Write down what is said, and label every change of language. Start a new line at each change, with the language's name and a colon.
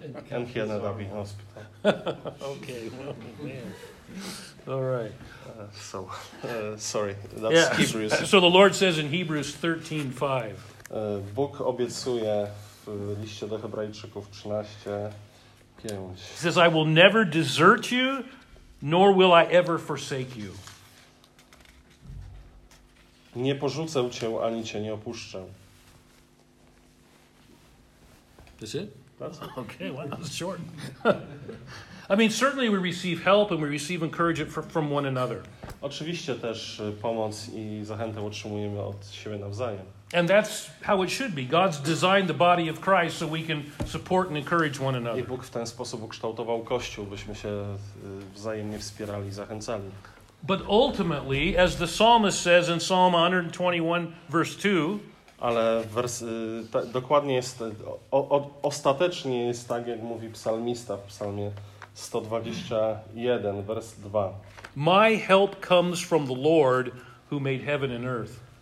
English: And he ended up in hospital. Okay. All right. So the Lord says in Hebrews 13:5.
Polish: Bóg obiecuje w liście do Hebrajczyków 13:5.
English: He says, I will never desert you, nor will I ever forsake you.
Polish: Nie porzucę cię, ani cię nie opuszczę.
English: That's it? That's it. Okay, well, that's short. I mean, certainly we receive help and we receive encouragement from one another.
Polish: Oczywiście też pomoc i zachętę otrzymujemy od siebie nawzajem.
English: And that's how it should be. God's designed the body of Christ so we can support and encourage one another.
Polish: I Bóg w ten sposób ukształtował Kościół, byśmy się wzajemnie wspierali i zachęcali.
English: But ultimately, as the psalmist says in Psalm 121, verse 2,
Polish: ale dokładnie jest, ostatecznie jest tak, jak mówi psalmista w psalmie 121, vers 2.
English: My help comes from the Lord who made heaven and earth.